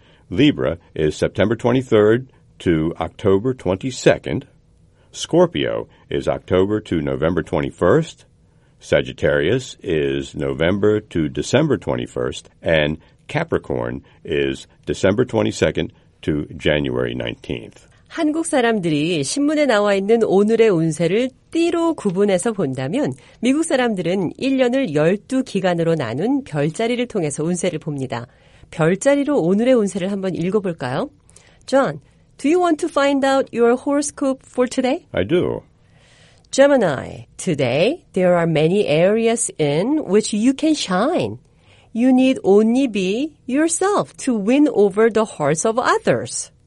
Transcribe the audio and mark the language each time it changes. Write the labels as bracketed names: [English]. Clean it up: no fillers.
[English] Libra is September 23rd to October 22nd. Scorpio is October to November 21st. Sagittarius is November to December 21st. And Capricorn is December 22nd to January 19th. [Korean] 한국 사람들이 신문에 나와 있는 오늘의 운세를 띠로 구분해서 본다면 미국 사람들은 1년을 12기간으로 나눈 별자리를 통해서 운세를 봅니다. 별자리로 오늘의 운세를 한번 읽어볼까요? [English] John, do you want to find out your horoscope for today? I do. Gemini, today there are many areas in which you can shine. You need only be yourself to win over the hearts of others.